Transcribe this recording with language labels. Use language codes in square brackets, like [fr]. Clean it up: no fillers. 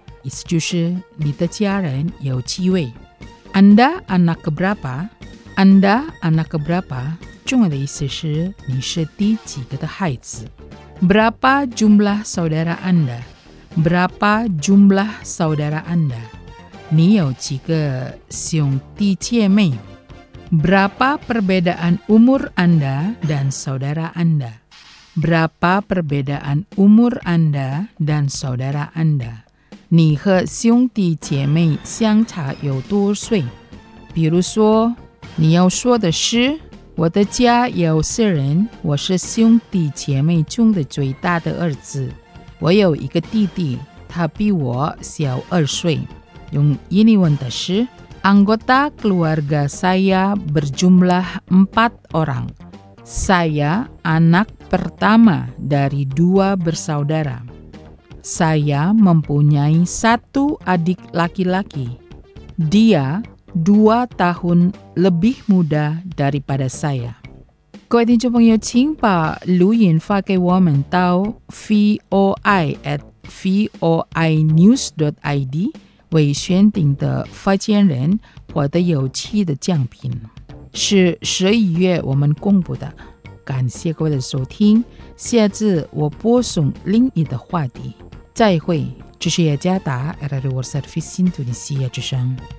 [zh] 意思就是你的家人有几位。 [id] Anda anak keberapa? Anda anak keberapa? [zh] 中文的意思是你是第几个的孩子。 [id] Berapa jumlah saudara anda? Berapa jumlah saudara anda? [zh] 你有几个兄弟姐妹? [id] Berapa perbedaan umur anda dan saudara anda? Berapa perbedaan umur anda dan saudara anda? [zh] 你和兄弟姐妹相差有多岁? 比如说,你要说的是我的家有四人，我是兄弟姐妹中的最大的儿子。我有一个弟弟，他比我小二岁。用印尼文的是 [id] ，anggota keluarga saya berjumlah empat orang. Saya anak pertama dari dua bersaudara. Saya mempunyai satu adik laki-laki. Dia 2 tahun lebih muda daripada saya. [zh] 各位听众朋友，请把录音发给我们到 voi@voinews.id 为选定的发件人获得有趣的奖品，是11月我们公布的。感谢各位的收听，下次我播送另一的话题，再会。这是雅加达 RRI World Service Indonesia 之声。